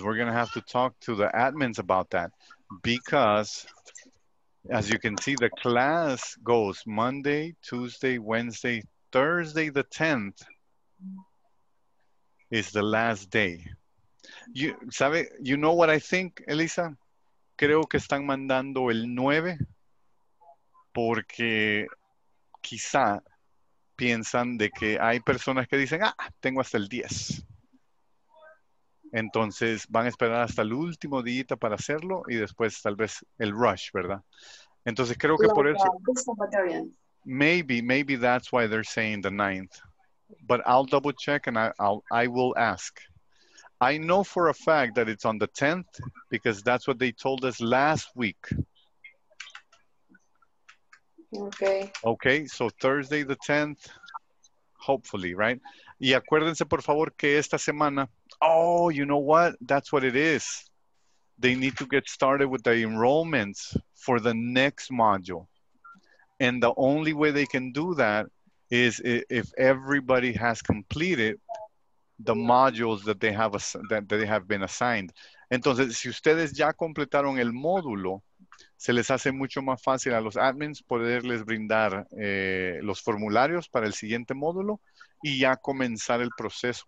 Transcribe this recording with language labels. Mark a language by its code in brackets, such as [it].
[en] We're going to have to talk to the admins about that. Because, as you can see, the class goes Monday, Tuesday, Wednesday, Thursday, the 10th is the last day. You know what I think, Elisa? [es] Creo que están mandando el 9 porque quizá piensan de que hay personas que dicen, ah, tengo hasta el 10. Entonces, van a esperar hasta el último día para hacerlo y después tal vez el rush, ¿verdad? Entonces, creo que por eso, [en] maybe that's why they're saying the 9th. But I'll double check and I will ask. I know for a fact that it's on the 10th because that's what they told us last week. Okay. Okay, so Thursday the 10th, hopefully, right? [es] Y acuérdense, por favor, que esta semana, [en] oh, you know what? That's what it is. They need to get started with the enrollments for the next module. And the only way they can do that is if everybody has completed the modules that they have been assigned. [es] Entonces, si ustedes ya completaron el módulo, se les hace mucho más fácil a los admins poderles brindar los formularios para el siguiente módulo y ya comenzar el proceso.